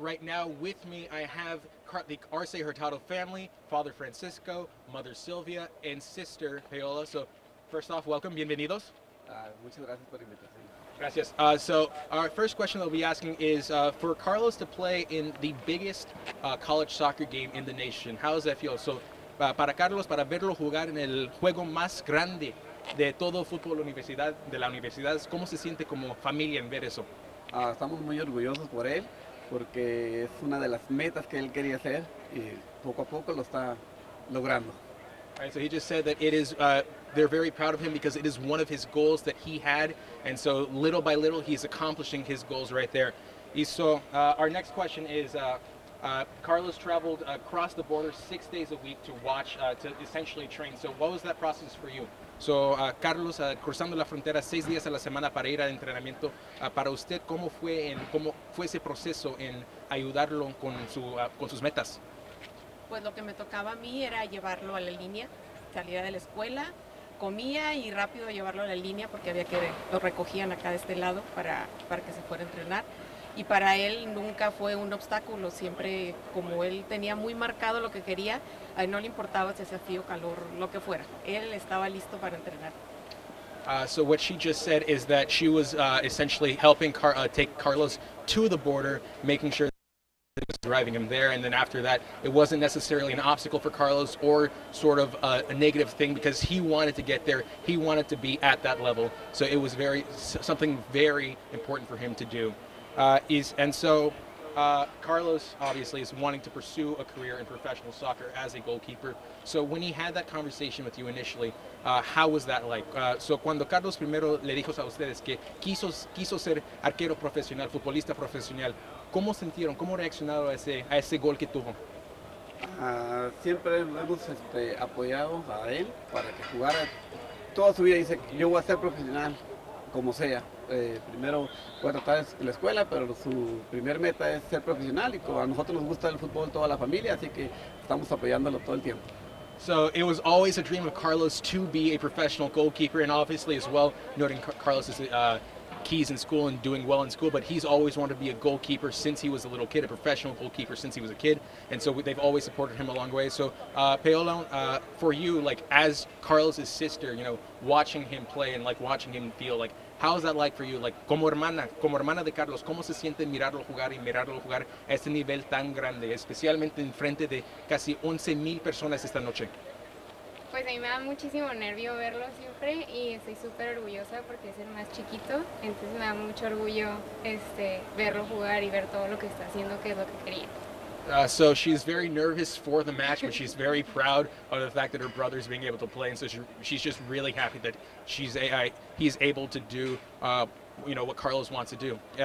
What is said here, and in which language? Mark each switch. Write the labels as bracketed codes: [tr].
[en] Right now with me, I have the Arce Hurtado family, father Francisco, mother Silvia, and sister Paola. So first off, welcome. [es] Bienvenidos. Muchas gracias por la invitación. Gracias. [en] So our first question that we'll be asking is for Carlos to play in the biggest college soccer game in the nation. How does that feel? [es] So para Carlos, para verlo jugar en el juego más grande de todo fútbol universidad, de la universidad, ¿cómo se siente como familia en ver eso? Estamos muy orgullosos por él, porque es una de las metas que él quería hacer y poco a poco lo está logrando. [en] All right, so he just said that it is, they're very proud of him because it is one of his goals that he had, and so little by little he's accomplishing his goals right there. Y so our next question is, Carlos traveled across the border 6 days a week to watch, to essentially train. So what was that process for you? [es] So, Carlos, cruzando la frontera 6 días a la semana para ir al entrenamiento, para usted, ¿cómo fue ese proceso en ayudarlo con sus metas? Pues lo que me tocaba a mí era llevarlo a la línea, salía de la escuela, comía y rápido llevarlo a la línea porque había que lo recogían acá de este lado para que se fuera a entrenar. y para él nunca fue un obstáculo, siempre como él tenía muy marcado lo que quería, a él no le importaba si hacía frío, calor, lo que fuera, él estaba listo para entrenar. [en] So what she just said is that she was essentially helping take Carlos to the border, making sure that he was driving him there, and then after that, it wasn't necessarily an obstacle for Carlos or sort of a negative thing because he wanted to get there, he wanted to be at that level, so it was something very important for him to do. Carlos obviously is wanting to pursue a career in professional soccer as a goalkeeper. So when he had that conversation with you initially, how was that like? [es] So cuando Carlos primero le dijo a ustedes que quiso ser arquero profesional, futbolista profesional, ¿cómo sintieron? ¿Cómo reaccionaron a ese gol que tuvo? Siempre hemos apoyado a él para que jugara. Toda su vida dice, yo voy a ser profesional, como sea. Primero fue tratar la escuela, pero su primer meta es ser profesional, y a nosotros nos gusta el fútbol toda la familia, así que estamos apoyándolo todo el tiempo. [en] So it was always a dream of Carlos to be a professional goalkeeper, and obviously as well, noting Carlos's keys in school and doing well in school, but he's always wanted to be a goalkeeper since he was a little kid, a professional goalkeeper since he was a kid, and so they've always supported him along the way. So Paola, for you, like as Carlos's sister, you know, watching him play and like watching him feel, like how is that like for you? [es] Like, como hermana de Carlos, ¿cómo se siente mirarlo jugar y mirarlo jugar a este nivel tan grande, especialmente en frente de casi 11,000 personas esta noche? Pues a mí me da muchísimo nervio verlo siempre y estoy súper orgullosa porque es el más chiquito, entonces me da mucho orgullo verlo jugar y ver todo lo que está haciendo, que es lo que quería. [en] So she's very nervous for the match, but she's very proud of the fact that her brother is being able to play, and so she's just really happy that he's able to do, what Carlos wants to do.